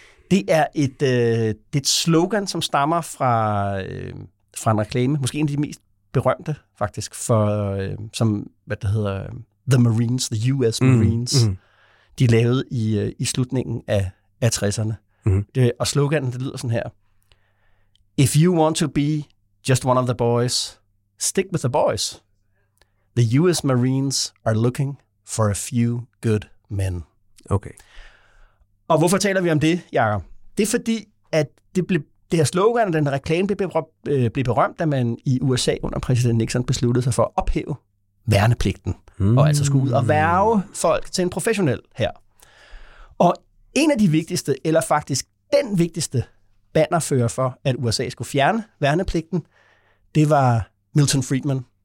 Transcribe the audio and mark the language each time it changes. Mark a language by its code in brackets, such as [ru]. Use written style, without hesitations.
[da] Det er et slogan, som stammer fra en reklame. Måske en af de mest berømte, faktisk, for, som, hvad det hedder, The Marines, The US Marines. Mm. De lavede i slutningen af 60'erne. Mm. Og sloganen, det lyder sådan her. [en] If you want to be just one of the boys, stick with the boys. The US Marines are looking for a few good men. [da] Okay. Og hvorfor taler vi om det, Jakob? Det er fordi, at det her slogan og den reklame blev berømt, da man i USA under præsident Nixon besluttede sig for at ophæve værnepligten. Mm. Og altså skulle ud og værve folk til en professionel her. Og en af de vigtigste, eller faktisk den vigtigste bannerfører for, at USA skulle fjerne værnepligten, det var Milton Friedman.